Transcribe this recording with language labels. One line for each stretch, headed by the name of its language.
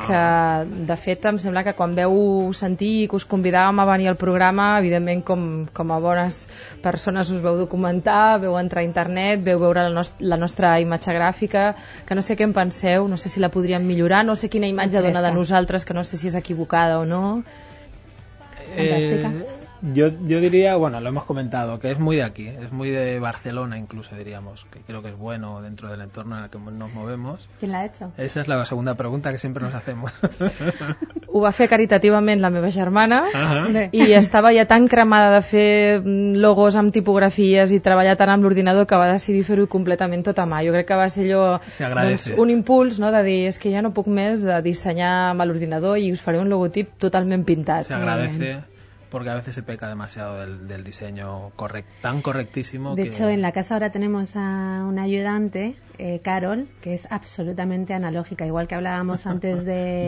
Catalan: Que, de fet, em sembla que quan veu sentir que us convidàvem a venir al programa, evidentment com a bones persones us veu documentar, veu entrar a internet, veu veure la nostra imatge gràfica, que no sé què en penseu, no sé si la podríem millorar, no sé quina imatge dona de nosaltres, que no sé si és equivocada o no. Fantàstica.
Spanish: Yo diría, bueno, lo hemos comentado, que es muy de aquí, es muy de Barcelona incluso, diríamos, que creo que es bueno dentro del entorno en el que nos movemos. ¿Quién la ha hecho? Esa es la segunda pregunta que siempre nos hacemos.
Catalan: Ho va fer caritativament la meva germana. I estava ja tan cremada de fer logos amb tipografies i treballar tant amb l'ordinador que va decidir fer-ho completament tot a mà. Jo crec que va ser allò, doncs, un impuls, no?, de dir, és que ja no puc més, de dissenyar amb l'ordinador i us faré un logotip totalment pintat.
Spanish: Se agradece. Porque a veces se peca demasiado del diseño tan correctísimo. De hecho, en la casa ahora tenemos a una ayudante, Carol, que es absolutamente analógica, igual que hablábamos antes de